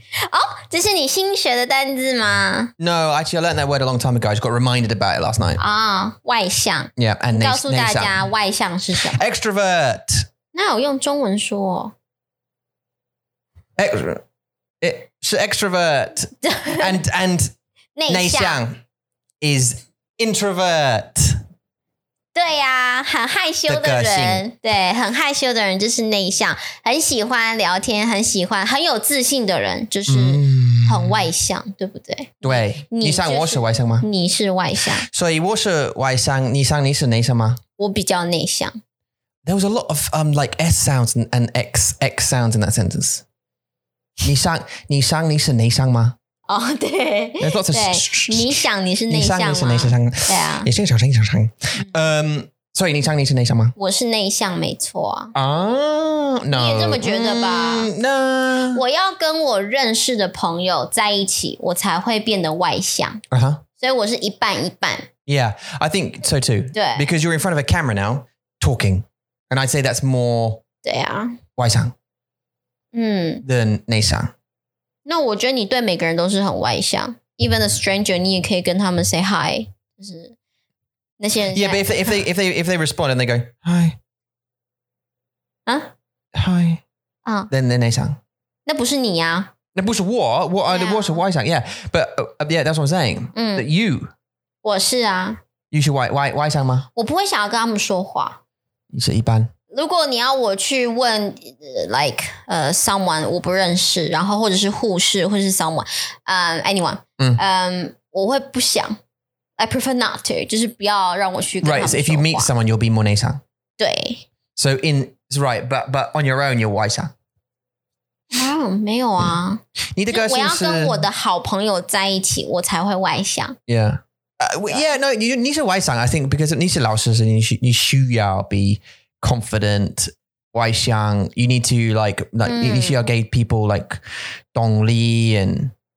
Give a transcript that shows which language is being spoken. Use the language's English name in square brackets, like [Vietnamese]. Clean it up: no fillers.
[Chinese] Oh, 这是你新学的单字吗? [English] No, actually I learned that word a long time ago. I just got reminded about it last night. [Chinese] Ah, 外向。 [English] Yeah, and [Chinese] 告诉大家外向是什么。 [English] Extrovert! [Chinese] 那我用中文说哦。是 [English] extrovert. And [Chinese] 内向 [English] is... Introvert. [Chinese] 对呀、啊、很害羞的人。对很害羞的人就是内向。很喜欢聊天很喜欢很有自信的人就是很外向、对不对对。你像我是外向吗你是外向。所以我是外向你像你是内向吗我比较内向。 [English] There was a lot of, like S sounds and X sounds in that sentence. [Chinese] 你像你是内向吗哦、oh, 对 [English] There's lots of [Chinese] 你想你是内向吗你想你是内向对啊你是小声你小声所以你想你是内向吗我是内向没错 [English] 啊、no, [Chinese] 你也这么觉得吧、 [English] no. [Chinese] 我要跟我认识的朋友在一起我才会变得外向、 [English] uh-huh. [Chinese] 所以我是一半一半 [English] Yeah, I think so too [Chinese] 对 [English] Because you're in front of a camera now talking And I'd say that's more [Chinese] 对啊外向than 内向那我觉得你对每个人都是很外向 [English] Even a stranger [Chinese] 你也可以跟他们 [English] say hi [Chinese] 就是那些人 [English] Yeah but if they respond and they go Hi [Chinese] 啊 [English] Hi [Chinese] 啊 [English] Then they're 内向 [Chinese] 那不是你啊那不是我 我是外向 [English] Yeah but yeah that's what I'm saying That you [Chinese] 我是啊 [English] You [Chinese] 是外向吗我不会想要跟他们说话你是一般如果你要我去问 [English] like someone [Chinese] 我不认识然后或者是护士或者是 [English] someone anyone [Chinese] 我会不想 [English] I prefer not to [Chinese] 就是不要让我去跟他们说话 [English] Right, so if you meet someone you'll be more 内向 [Chinese] 对 [English] So in Right, but on your own you're 外向、 [Chinese] 没有啊你的个性是我要跟我的好朋友在一起我才会外向 [English] Yeah, no [Chinese] 你是外向 [English] I think because [Chinese] 你是老师是你需要 [English] beconfident, 外向 you need to like, you need to give people like, 动力 and,